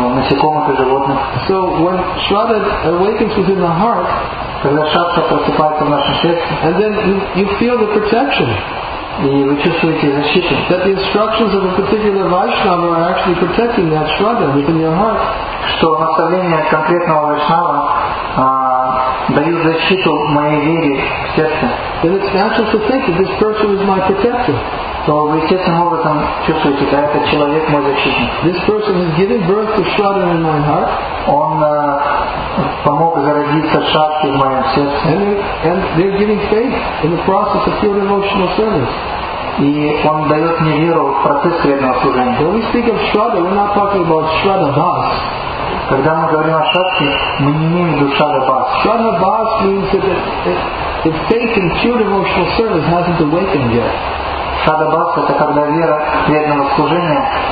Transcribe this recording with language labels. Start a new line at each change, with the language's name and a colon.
English: So when Shraddha awakens within the heart, and then you feel the protection, that the instructions of a particular Vaishnava are actually protecting that Shraddha within your heart, then it's natural to think that this person is my protector.
Russian: То вы естественным образом чувствуете, что этот человек мой защитник.
English: This person has given birth to Shraddha in my heart.
Russian: Он помог зародиться Шрадхе в моем сердце.
English: And they're giving faith in the process of pure emotional service.
Russian: И он дает мне веру в процесс преданного служения.
English: When we speak of Shraddha, we're not talking about Shraddha Bhas.
Russian: Когда мы говорим о Шрадхе, мы не имеем в виду Shraddha Bhas.
English: Shraddha Bhas means that the faith in pure emotional service hasn't awakened yet.
Russian: Шадабас — это когда вера преданного служения,